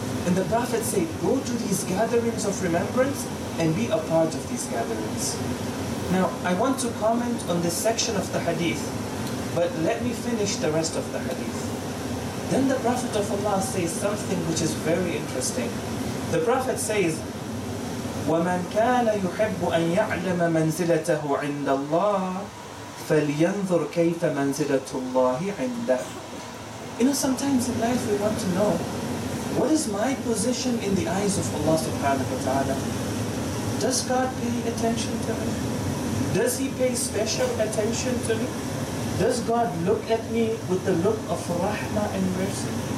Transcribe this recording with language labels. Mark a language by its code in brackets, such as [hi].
[en] And the Prophet said, go to these gatherings of remembrance and be a part of these gatherings. Now, I want to comment on this section of the hadith, but let me finish the rest of the hadith. Then the Prophet of Allah says something which is very interesting. The Prophet says, [ar] وَمَنْ كَانَ يُحِبُّ أَنْ يَعْلَمَ مَنْزِلَتَهُ عِنْدَ اللَّهِ فَلْيَنْظُرْ كَيْفَ مَنْزِلَتُ اللَّهِ عِنْدَهُ. [en] You know, sometimes in life we want to know, what is my position in the eyes of Allah subhanahu wa ta'ala? Does God pay attention to me? Does He pay special attention to me? Does God look at me with the look of rahmah and mercy?